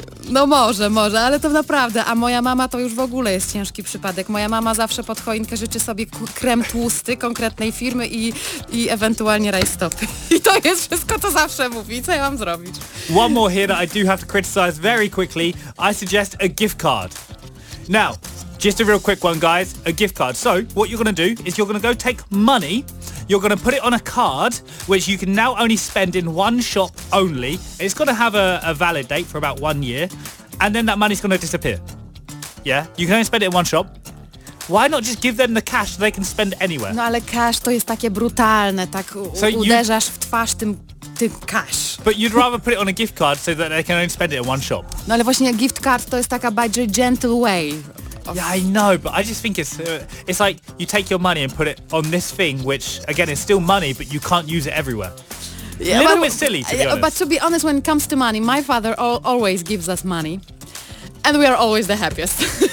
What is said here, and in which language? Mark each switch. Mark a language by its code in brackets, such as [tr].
[pl] No może, ale to naprawdę. A moja mama to już w ogóle jest ciężki przypadek. Moja mama zawsze pod choinkę życzy sobie krem tłusty konkretnej firmy i ewentualnie rajstopy. I to jest wszystko, co zawsze mówi. Co ja mam zrobić? [en] One more here that I do have to criticize very quickly. I suggest a gift card. Now, just a real quick one, guys, a gift card. So what you're going to do is you're going to go take money, you're going to put it on a card, which you can now only spend in one shop only. It's going to have a valid date for about 1 year, and then that money's going to disappear. Yeah, you can only spend it in one shop. Why not just give them the cash so they can spend anywhere? [pl] No, ale cash to jest takie brutalne, tak uderzasz w twarz tym cash. [en] But you'd rather put it on a gift card so that they can only spend it in one shop. [pl] No, ale właśnie gift card to jest taka bardziej [en] gentle way. Yeah, I know, but I just think it's like you take your money and put it on this thing, which, again, is still money, but you can't use it everywhere. Yeah, a little bit silly, to be honest. But to be honest, when it comes to money, my father always gives us money, and we are always the happiest.